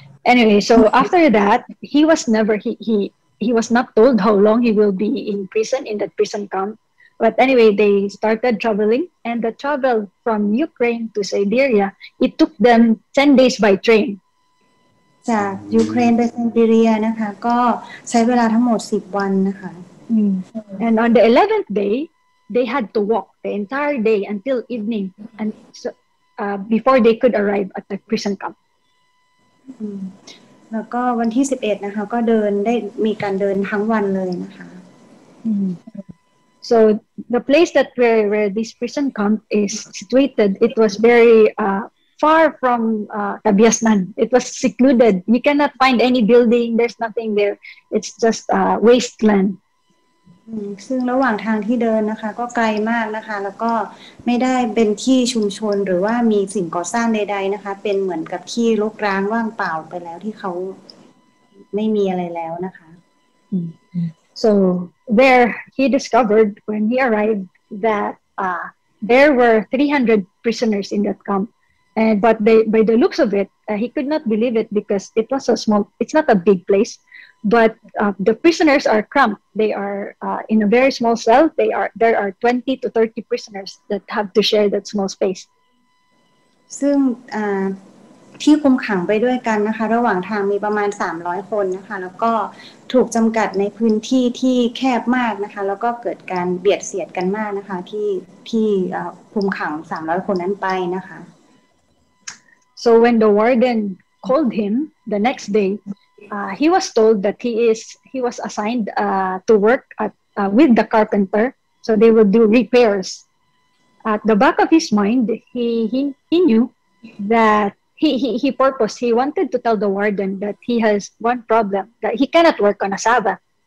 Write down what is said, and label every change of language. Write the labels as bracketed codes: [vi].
[en] Anyway, so after that, he was not told how long he will be in prison, in that prison camp. But anyway, they started traveling, and the travel from Ukraine to Siberia, it took them 10 days by train. [th] จาก Ukraine ไป Siberia นะคะก็ใช้เวลาทั้งหมด10วันนะคะ [en] And on the 11th day, they had to walk the entire day until evening and so, before they could arrive at the prison camp. [th] แล้วก็วันที่11นะคะก็เดินได้มีการเดินทั้งวันเลยนะคะ [en] So the place that where this prison camp is situated, it was very far from Cabiasnan. It was secluded. You cannot find any building. There's nothing there. It's just wasteland. [th] ซึ่งระหว่างทางที่เดินนะคะก็ไกลมากนะคะแล้วก็ไม่ได้เป็นที่ชุมชนหรือว่ามีสิ่งก่อสร้างใดๆนะคะเป็นเหมือนกับที่รกร้างว่างเปล่าไปแล้วที่เขาไม่มีอะไรแล้วนะคะ [en] So there he discovered when he arrived that there were 300 prisoners in that camp and but they, by the looks of it he could not believe it because it was a small it's not a big placeBut the prisoners are cramped. They are in a very small cell. They are there are 20 to 30 prisoners that have to share that small space. [th] ซึ่งที่คุมขังไปด้วยกันนะคะระหว่างทางมีประมาณ300คนนะคะแล้วก็ถูกจำกัดในพื้นที่ที่แคบมากนะคะแล้วก็เกิดการเบียดเสียดกันมากนะคะที่คุมขัง300คนนั้นไปนะคะ [en] So when the warden called him the next day. He was told that he was assigned to work at with the carpenter, so they would do repairs. At the back of his mind, he knew that he purposed, he wanted to tell the warden that he has one problem, that he cannot work on a Sabbath.